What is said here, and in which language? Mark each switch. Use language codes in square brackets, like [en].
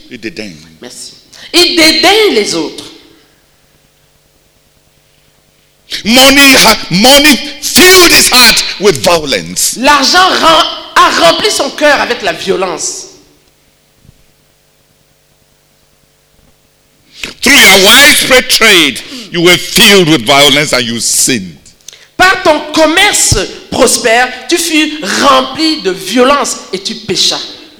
[fr] Ils dédaignent. Merci. Ils dédaignent les autres. [en] Money filled his heart with violence. [fr] L'argent a rempli son cœur avec la violence. [en] Through your widespread trade, you were filled with violence and you sinned. [fr] Par ton commerce prospère, tu fus rempli de violence et tu péchas.